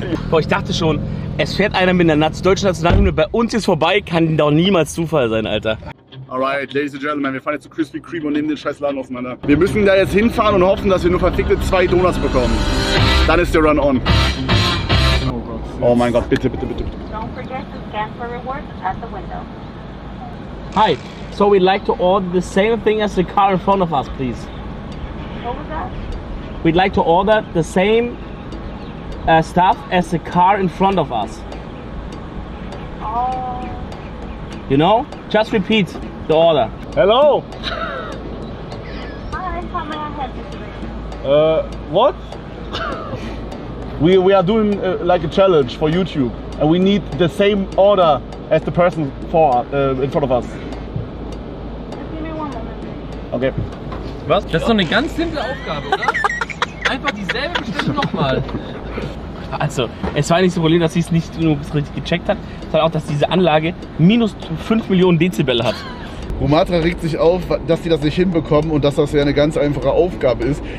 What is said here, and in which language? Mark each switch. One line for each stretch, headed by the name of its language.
German: Boah, ich dachte schon, es fährt einer mit der deutschen Nationalhymne bei uns jetzt vorbei. Kann doch niemals Zufall sein, Alter.
English: Alright, ladies and gentlemen,
German: wir fahren jetzt zu Krispy Kreme und nehmen den scheiß Laden auseinander. Wir müssen da jetzt hinfahren und hoffen, dass wir nur verfickte 2 Donuts bekommen. Dann ist der Run on. Oh mein Gott, bitte.
English: Don't forget to scan for rewards at the window. Hi, so we'd like to order the same thing as the car in front of us, please. What was that? We'd like to order the same stuff as the car in front of us. Oh. You know? Just repeat the order. Hello. Hi, how may I help you today? What? We are doing like a challenge for YouTube and we need the same order as the person for in front of us. Give me one moment. Okay.
German: Was? Das ist doch eine ganz simple Aufgabe, oder? Einfach dieselbe Bestellung nochmal. Also, es war nicht so Problem, dass sie es nicht nur richtig gecheckt hat, sondern auch, dass diese Anlage minus 5 Millionen Dezibel hat. Rumatra regt sich auf, dass sie das nicht hinbekommen und dass das ja eine ganz einfache Aufgabe ist.